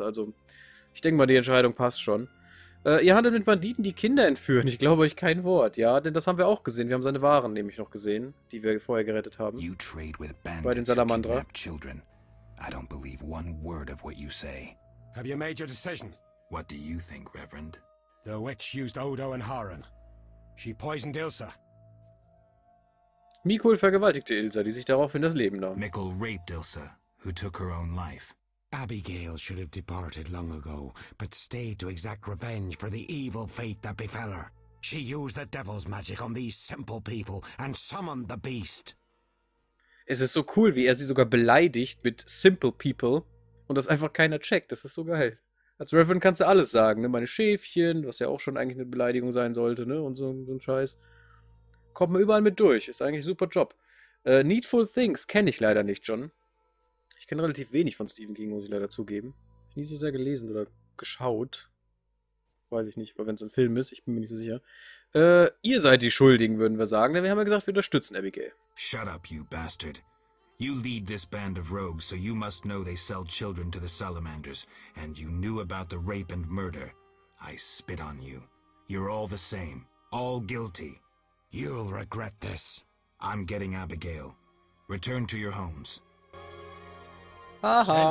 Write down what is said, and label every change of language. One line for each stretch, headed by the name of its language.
German: Also, ich denke mal, die Entscheidung passt schon. Ihr handelt mit Banditen, die Kinder entführen. Ich glaube euch kein Wort, ja? Denn das haben wir auch gesehen. Wir haben seine Waren nämlich noch gesehen, die wir vorher gerettet haben.
English: You trade with bandits,
German: bei den Salamandra.
English: I don't believe one word of what you say. Have you made your decision? What do you think, Reverend? The witch used Odo and Harren. She poisoned Ilsa.
German: Mikul vergewaltigte Ilsa, die sich daraufhin das Leben nahm.
English: Mikul raped Ilsa, who took her own life. Abigail should have departed long ago, but stayed to exact revenge for the evil fate that befell her. She used the devil's magic on these simple people and summoned the beast.
German: Es ist so cool, wie er sie sogar beleidigt mit
English: Simple People
German: und das einfach keiner checkt. Das ist so geil. Als Reverend kannst du alles sagen, ne? Meine Schäfchen, was ja auch schon eigentlich eine Beleidigung sein sollte, ne? Und so ein Scheiß. Kommt man überall mit durch. Ist eigentlich ein super Job. Needful Things kenne ich leider nicht, John. Ich kenne relativ wenig von Stephen King, muss ich leider zugeben. Ich nie so sehr gelesen oder geschaut. Weiß ich nicht, aber wenn es ein Film ist, ich bin mir nicht so sicher. Ihr seid die Schuldigen, würden wir sagen, denn wir haben ja gesagt, wir unterstützen Abigail.
English: Shut up, you bastard. You lead this band of rogues, so you must know they sell children to the Salamanders. And you knew about the rape and murder. I spit on you. You're all the same. All guilty. You'll regret this. I'm getting Abigail. Return to your homes. Aha.